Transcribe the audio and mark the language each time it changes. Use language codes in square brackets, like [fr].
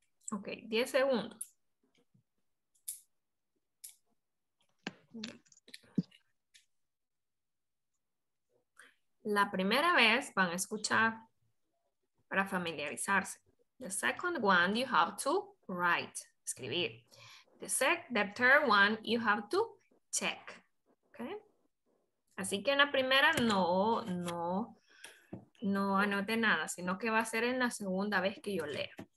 [es] Ok, 10 segundos. La primera vez van a escuchar para familiarizarse. [en] The second one, you have to write, escribir. The third one, you have to check. Okay? [es] Así que en la primera no anote nada, sino que va a ser en la segunda vez que yo lea.